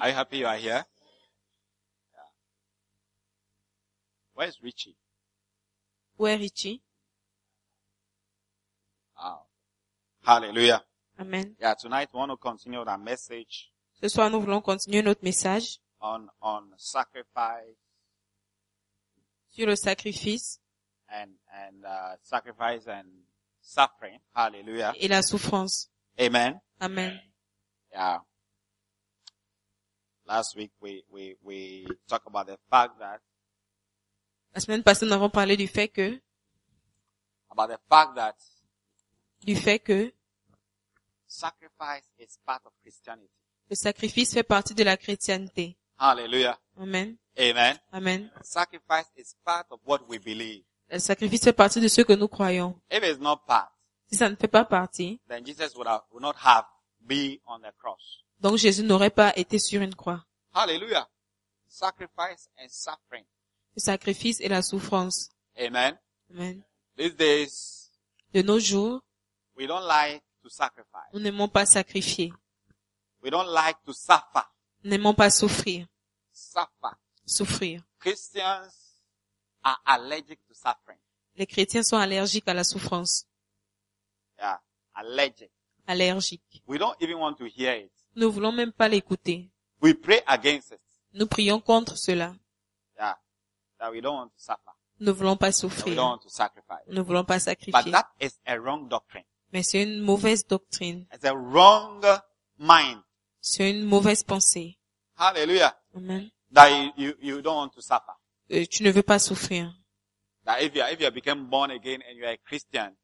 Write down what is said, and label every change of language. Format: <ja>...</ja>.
<en>Are you happy you are here? Yeah. Where's Richie? Where is Richie? Hallelujah. Amen. Yeah, tonight we want to continue our message.</en> <fr>Ce soir nous voulons continuer notre message.</fr> <en>On sacrifice.</en> <fr>Sur le sacrifice.</fr> <en>And sacrifice and suffering. Hallelujah.</en> <fr>Et la souffrance.</fr> <en>Amen. Amen. Yeah. Last week we talked about the fact that.</en> <fr>La semaine passée nous avons parlé du fait que.</fr> <en>About the fact that.</en> <fr>Du fait que</fr> <en>sacrifice is part of Christianity.</en> <fr>Le sacrifice fait partie de la chrétienté.</fr> <en>Hallelujah. Amen. Amen. Amen. Sacrifice is part of what we believe.</en> <fr>Le sacrifice fait partie de ce que nous croyons.</fr> <en>If it's not part,</en> <fr>si ça ne fait pas partie,</fr> <en>then Jesus would not have been on the cross.</en> <fr>Donc Jésus n'aurait pas été sur une croix.</fr> <en>Hallelujah. Sacrifice and suffering.</en> <fr>Le sacrifice et la souffrance.</fr> <en>Amen. Amen. These days,</en> <fr>de nos jours,</fr> <en>we don't like to sacrifice.</en> <fr>Nous n'aimons pas sacrifier.</fr> <en>We don't like to suffer.</en> <fr>Nous n'aimons pas souffrir.</fr> <en>Suffer.</en> <fr>Souffrir.</fr> <en>Christians are allergic to suffering.</en> <fr>Les chrétiens sont allergiques à la souffrance.</fr> <en>Yeah, allergic.</en> <fr>Allergique.</fr> <en>We don't even want to hear it.</en> <fr>Nous ne voulons même pas l'écouter.</fr> <en>We pray against it.</en> <fr>Nous prions contre cela.</fr> <en>Yeah, that we don't want to suffer.</en> <fr>Nous ne voulons pas souffrir.</fr> <en>We don't want to sacrifice.</en> <fr>Nous ne voulons pas sacrifier.</fr> <en>But that is a wrong doctrine.</en> <fr>Mais c'est une mauvaise doctrine.</fr> <en>It's a wrong mind.</en> <fr>C'est une mauvaise pensée.</fr> <en>Hallelujah. Amen. That you don't want to suffer.</en> <fr>Tu ne veux pas souffrir.</fr> <en>That if you become born again and you are a Christian.</en>